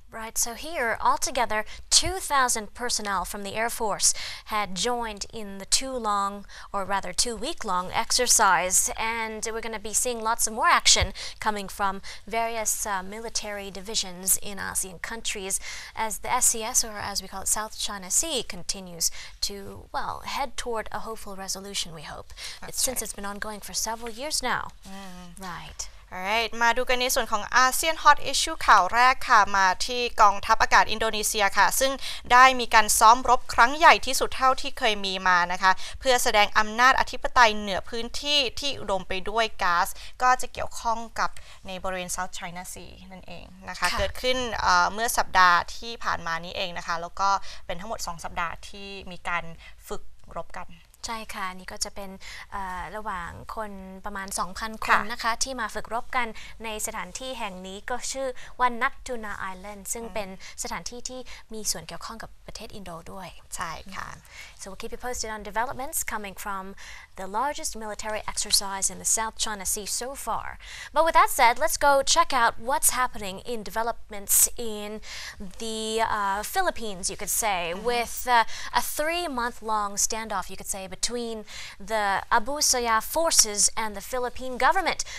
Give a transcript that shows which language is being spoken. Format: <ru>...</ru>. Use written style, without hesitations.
<en>Right, so here, altogether, 2,000 personnel from the Air Force had joined in the two-week-long exercise, and we're going to be seeing lots of more action coming from various military divisions in ASEAN countries as the SCS, or as we call it, South China Sea, continues to, well, head toward a hopeful resolution, we hope. Since it's been ongoing for several years now. Mm. Right.</en> <th>Alright, มาดูกันในส่วนของอาเซียน Hot Issue ข่าวแรกค่ะมาที่กองทัพอากาศอินโดนีเซียค่ะซึ่งได้มีการซ้อมรบครั้งใหญ่ที่สุดเท่าที่เคยมีมานะคะเพื่อแสดงอำนาจอธิปไตยเหนือพื้นที่ที่อุดมไปด้วยก๊าซก็จะเกี่ยวข้องกับในบริเวณ South China Sea นั่นเองนะคะเกิดขึ้นเมื่อสัปดาห์ที่ผ่านมานี้เองนะคะแล้วก็เป็นทั้งหมด2สัปดาห์ที่มีการฝึกรบกัน ใช่ค่ะนี่ก็จะเป็นระหว่างคนประมาณ 2,000 คนนะคะที่มาฝึกรบกันในสถานที่แห่งนี้ก็ชื่อว่านัตทูนาไอแลนด์ซึ่งเป็นสถานที่ที่มีส่วนเกี่ยวข้องกับประเทศอินโดด้วย ใช่ค่ะ</th> <en>So we'll keep you posted on developments coming from the largest military exercise in the South China Sea so far. But with that said, let's go check out what's happening in developments in the Philippines, you could say, mm-hmm. with a 3-month long standoff, you could say,between the Abu Sayyaf forces and the Philippine government.</en>